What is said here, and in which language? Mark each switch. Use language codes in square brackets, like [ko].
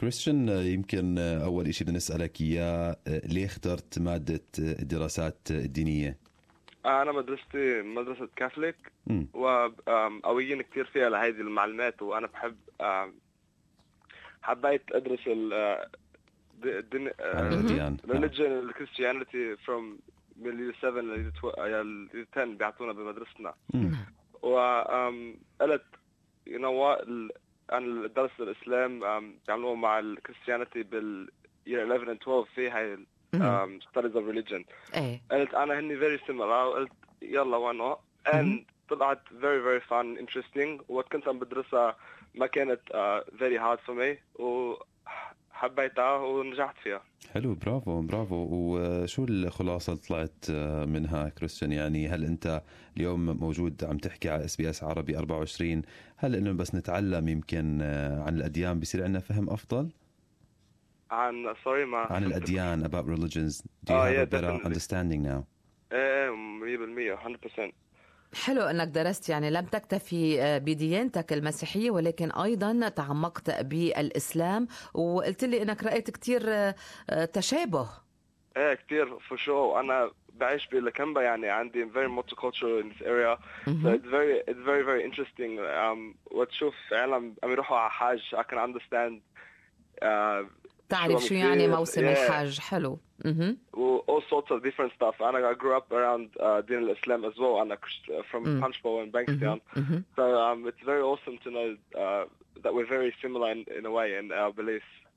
[ar] كريستيان, يمكن أول إشي بنسألك إياه, ليه اخترت مادة الدراسات الدينية؟ أنا مدرستي مدرسة كاثوليك وقويين كتير فيها لهذه المعلومات, وأنا بحب حبيت أدرس الدين [en] religion Christianity from من year 7 لـ year 10 [ar] بيعطونا بمدرستنا. وقلت [en] you know what, [ar] أنا درست الإسلام بيعملوه مع الكريستيانتي بال [en] year 11 and 12 [ar] في هاي [en] studies of religion. [ar] قلت أنا هني [en] very similar, [ar] قلت يلا [en] why not, and [ar] طلعت [en] very very fun interesting. [ar] وقت كنت عم بدرسها ما كانت [en] very hard for me, [ar] وحبيتها ونجحت فيها. حلو, برافو برافو. وشو الخلاصة اللي طلعت منها كريستيان؟ يعني هل أنت اليوم موجود عم تحكي على SBS عربي 24, هل إنه بس نتعلم يمكن عن الأديان بيصير عندنا فهم أفضل؟ عن sorry ما عن الأديان [en] about religions, do you have a better definitely. Understanding now? 100%. [ar] حلو أنك درست, يعني لم تكتفي بديانتك المسيحية ولكن أيضا تعمقت بالإسلام, وقلت لي أنك رأيت كتير تشابه. إيه كتير [en] for sure. [ar] أنا بعيش بالكمبا, يعني عندي [en] very multicultural in this area, so it's very interesting. [ar] وتشوف فعلا عم يروحوا على حاج, [en] I can understand. [ar] تعرف شو يعني موسم الحاج. حلو. [en] All sorts of different stuff. I grew up around Din al-Islam as well. I'm from Punchbowl and Bankstown. So it's very awesome to know that we're very similar in a way in our beliefs.